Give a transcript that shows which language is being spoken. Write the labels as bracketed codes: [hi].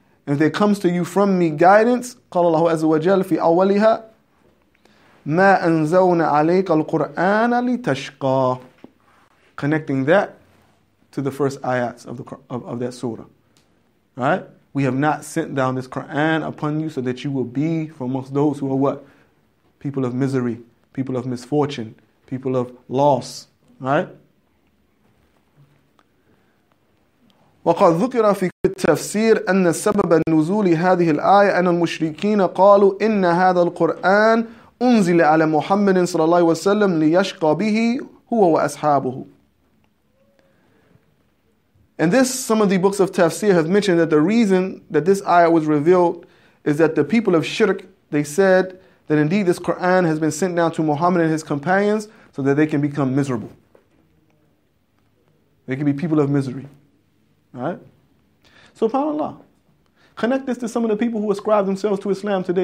[en] And if there comes to you from me guidance, [ar] قال الله عز وجل في أولها ما أنزلنا عليك القرآن لتشقى. [en] Connecting that to the first ayats of that surah. Right? We have not sent down this Quran upon you so that you will be for amongst those who are what? People of misery, people of misfortune, people of loss. Right? [ar] وقد ذكر في التفسير أن سبب نزول هذه الآية أن المشركين قالوا إن هذا القرآن أنزل على محمد صلى الله عليه وسلم ليشقى به هو وأصحابه. [en] And this, some of the books of tafsir have mentioned that the reason that this ayah was revealed is that the people of shirk, they said that indeed this Quran has been sent down to Muhammad and his companions so that they can become miserable. They can be people of misery. Right? SubhanAllah, connect this to some of the people who ascribe themselves to Islam today.